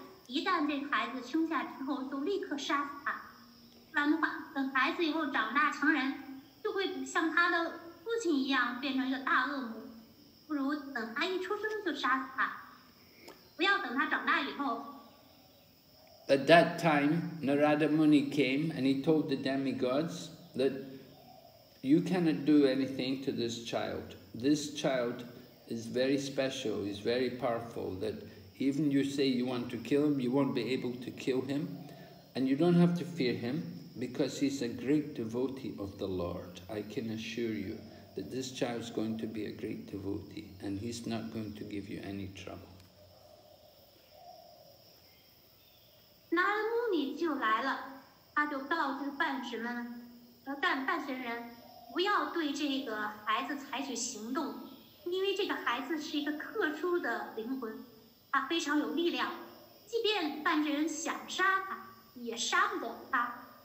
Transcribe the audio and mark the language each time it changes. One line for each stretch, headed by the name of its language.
Chinese: 提亚亚喀什布，他的妻子，怀孕了。当，他的妻子怀孕了，他就给他的孩子起名叫普拉。所以当他妻子怀孕之际，提亚亀什布就去午休去了。半神人们就趁此机会，就逮捕了他的妻子，就心想，一旦这孩子生下之后，就立刻杀死他。
English: At that time, Narada Muni came and he told the demigods that you cannot do anything to this child. This child is very special, he's very powerful, that even you say you want to kill him, you won't be able to kill him, and you don't have to fear him. Because he's a great devotee of the Lord, I can assure you that this child is going to be a great devotee and he's not going to give you any trouble.
Chinese: Narada Muni 就来了，他就告知半神人，不要对这个孩子采取行动，因为这个孩子是一个特殊的灵魂，他非常有力量，即便半神人想杀他，也杀不得他。